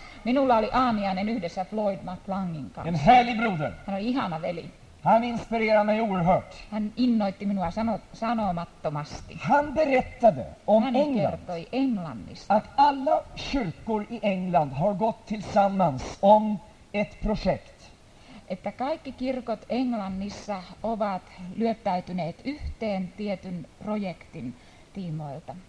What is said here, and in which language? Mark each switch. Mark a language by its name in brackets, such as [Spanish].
[Finnish] Minulla oli aamiainen yhdessä Floyd MacLangin kanssa. [Swedish] En härlig broder. [Finnish] Hän oli ihana veli. [Swedish] Han inspirerade mig oerhört. [Finnish] Hän innoitti minua sanomattomasti. [Swedish] Han berättade om [Finnish] Hän [Swedish] England. [Finnish] Kertoi Englannista. [Swedish] Att alla kyrkor i England har gått tillsammans om ett projekt. [Finnish] Että kaikki kirkot Englannissa ovat lyöttäytyneet yhteen tietyn projektin tiimoilta.